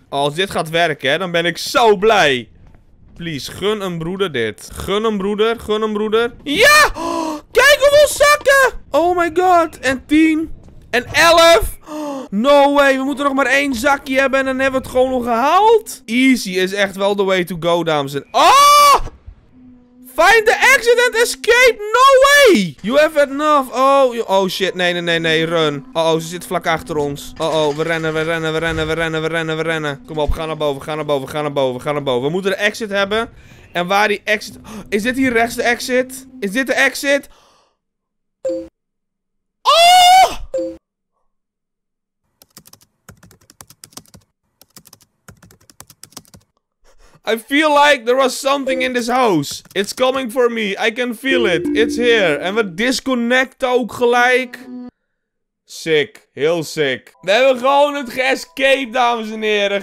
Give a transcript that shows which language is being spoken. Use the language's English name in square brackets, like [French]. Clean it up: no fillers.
[Dutch] Als dit gaat werken, hè, dan ben ik zo blij. Please, gun een broeder dit. Gun een broeder, gun een broeder. Ja! Oh, kijk hoeveel zakken! [English] Oh my god, [Dutch] en 10... En 11! [English] No way, [Dutch] we moeten nog maar 1 zakje hebben en dan hebben we het gewoon nog gehaald. Easy is echt wel [English] the way to go, [Dutch] dames en... Oh! [English] Find the exit and escape! No way! You have enough! [Dutch] Oh, oh shit, nee, nee, nee, nee, run. Oh, ze zit vlak achter ons. Oh, we rennen, we rennen, we rennen, we rennen, we rennen, we rennen. Kom op, ga naar boven, ga naar boven, ga naar boven, ga naar boven. We moeten de exit hebben. En waar die exit... Is dit hier rechts de exit? Is dit de exit? [English] I feel like there was something in this house. It's coming for me. I can feel it. It's here. [Dutch] En we disconnecten ook gelijk. Sick. Heel sick. We hebben gewoon het geescaped, dames en heren.